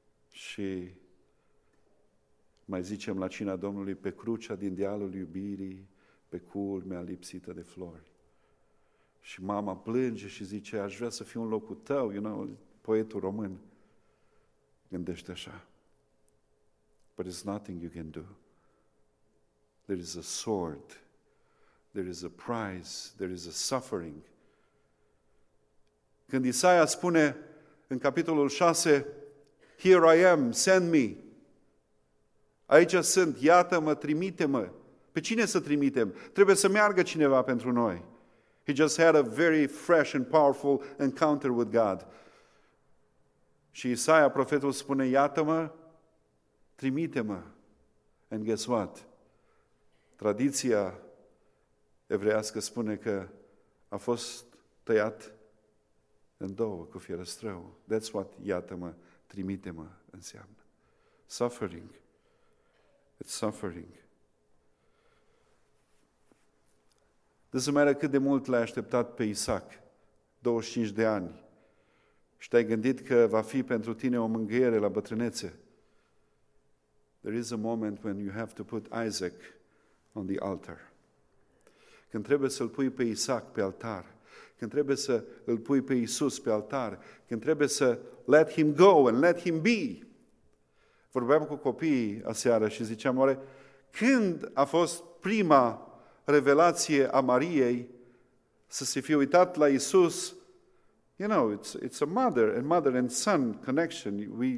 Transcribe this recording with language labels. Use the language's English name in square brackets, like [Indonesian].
[Romanian] Și mai zicem la cina Domnului, pe crucea din dealul iubirii, pe culmea lipsită de flori. Și mama plânge și zice, aș vrea să fiu în locul tău, [English] you know, [Romanian] poetul român gândește așa. [English] But there's nothing you can do. There is a sword, there is a price, there is a suffering. [Romanian] Când Isaia spune în capitolul 6, [English] Here I am, send me. [Romanian] Aici sunt, iată-mă, trimite-mă. Pe cine să trimitem? Trebuie să meargă cineva pentru noi. [English] He just had a very fresh and powerful encounter with God. [Romanian] Și Isaia, profetul, spune, iată-mă, trimite-mă. [English] And guess what? [Romanian] Tradiția evreiască spune că a fost tăiat în două cu fierăstrău. [English] That's what, [Romanian] iată-mă, trimite-mă, înseamnă. [English] Suffering. It's suffering. [Romanian] Nu-ți mai cât de mult l-ai așteptat pe Isaac, 25 de ani, și te-ai gândit că va fi pentru tine o mângâiere la bătrânețe. [English] There is a moment when you have to put Isaac on the altar. [Romanian] Când trebuie să-l pui pe Isaac pe altar, când trebuie să-l pui pe Iisus pe altar, când trebuie să [English] let him go and let him be. [Romanian] Vorbeam cu copiii aseară și ziceam, oare când a fost prima revelație a Mariei să se fie uitat la Iisus? [English] You know, it's a mother and mother and son connection.